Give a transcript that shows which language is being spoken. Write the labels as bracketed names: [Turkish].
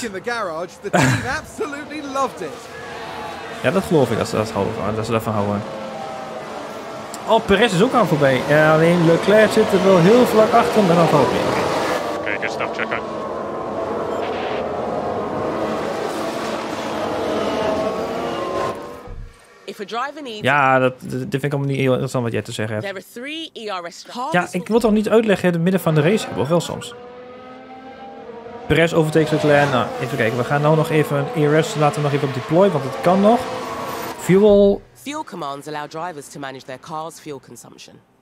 [English] Back in the garage, the team absolutely loved it. [Dutch] Ja, dat geloof ik dat ze dat van houden. Oh, Perez is ook aan voorbij. Ja, alleen Leclerc zit er wel heel vlak achter en dan valt hij. [English] Oké, good stuff, checker. [Dutch] Ja, dat vind ik allemaal niet heel interessant wat jij te zeggen hebt. Ja, ik wil toch niet uitleggen in het midden van de race hebben, of wel soms. [English] Perez overtakes Leclerc. [Dutch] Nou, even kijken. We gaan nou nog even een ERS laten we nog even op deploy, want het kan nog. [English] Fuel commands allow drivers to manage their car's fuel consumption.